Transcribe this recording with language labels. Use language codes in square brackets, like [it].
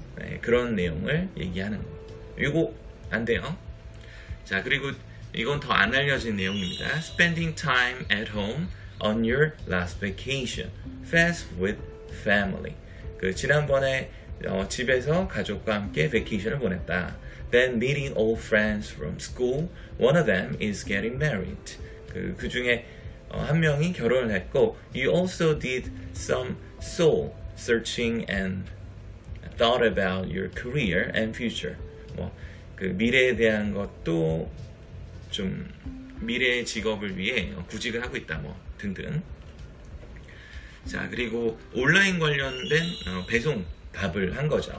[ko] 네, 그런 내용을 얘기하는 거. 이거 안 돼요. 자, 그리고 이건 더 안 알려진 내용입니다. [en] Spending time at home on your last vacation. Fast with family. [ko] 그 지난번에 집에서 가족과 함께 vacation을 보냈다. [en] Then meeting old friends from school. One of them is getting married. [ko] 그 중에 한 명이 결혼을 했고 [en] You also did some soul. searching and thought about your career and future. [ko] 뭐 그 미래에 대한 것도 좀 미래의 직업을 위해 구직을 하고 있다 뭐 등등. 자, 그리고 온라인 관련된 배송 답을 한 거죠.